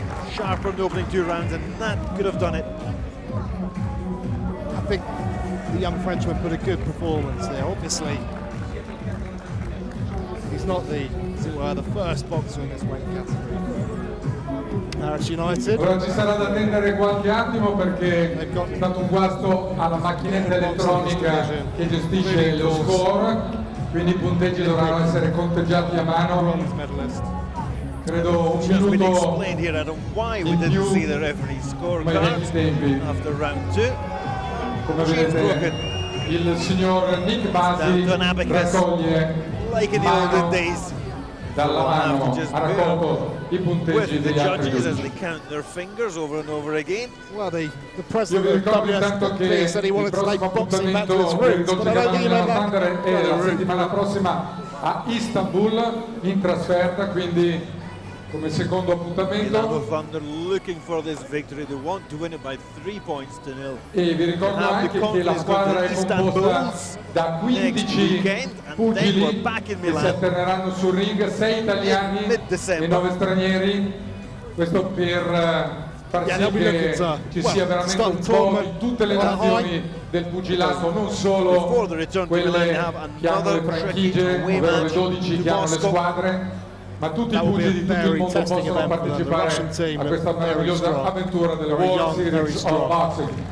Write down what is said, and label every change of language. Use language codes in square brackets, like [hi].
[en] Sharper in the opening two rounds, and that could have done it. I think the young Frenchman put a good performance there, obviously. Not the, as it were, the first boxer in this weight category. Harris United. [it] Ora ci sarà da attendere qualche attimo perché è stato un guasto alla macchinetta elettronica che gestisce lo score, quindi i punteggi dovranno essere conteggiati a mano. Credo un minuto in più. [en] Why we didn't see the referee score card after round two? [it] Come vedete, il signor Nick Basi raccoglie. [en] Like in the olden days, [it] dalla mano, ha raccolto i punteggi [en] with the judges as they count their fingers over and over again. Well, the president of WSBA said he wanted to take boxing back to its roots, but I don't think he meant that. [it] È la settimana prossima a Istanbul in trasferta, quindi come secondo appuntamento. [en] Milano Thunder looking for this victory. They want to win it by 3 points to nil. [it] E vi ricordo anche che la squadra è composta da 15 pugili che si atterreranno sul ring, 6 italiani e 9 stranieri. Questo per far sì che ci sia veramente un po' in tutte le nazioni del pugilato, non solo quelle che hanno le franchigie, ovvero le 12 che hanno le squadre, ma tutti i pugili di tutto il mondo possono partecipare a questa meravigliosa avventura delle World Series of Boxing.